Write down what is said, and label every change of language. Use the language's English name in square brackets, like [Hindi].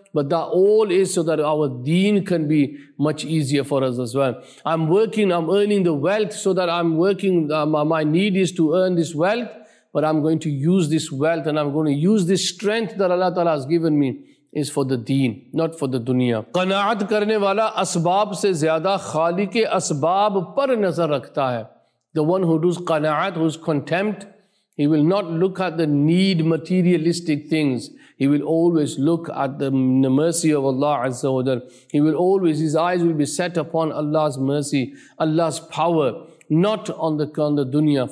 [English] But that all is so that our deen can be much easier for us as well. I'm working, I'm earning the wealth so that I'm working, my need is to earn this wealth. But I'm going to use this wealth and I'm going to use this strength that Allah Ta'ala has given me is for the deen, not for the dunya. [Urdu] قناعت کرنے والا اسباب سے زیادہ خالق اسباب پر نظر رکھتا ہے. [English] The one who does قناعت, who's contempt, he will not look at the need, materialistic things. He will always look at the mercy of Allah Azza wa Jal. He will always, his eyes will be set upon Allah's mercy, Allah's power, not on the dunya.